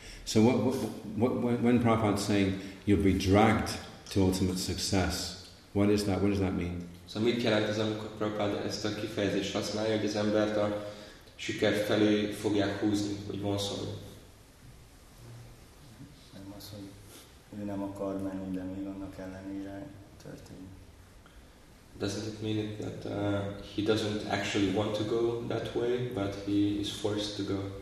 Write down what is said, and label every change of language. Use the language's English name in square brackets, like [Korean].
[English] So when Prabhupada's saying you'll be dragged to ultimate success, what is that? What does that mean? [Hungarian] So mit jelent ez, amikor Prabhupada ezt a kifejezést használja, hogy az embert a siker felé fogják húzni, hogy vonszolni. Nem az, hogy ő nem akar menni, de még annak ellenére történik. [English] Doesn't it mean it that he doesn't actually want to go that way, but he is forced to go?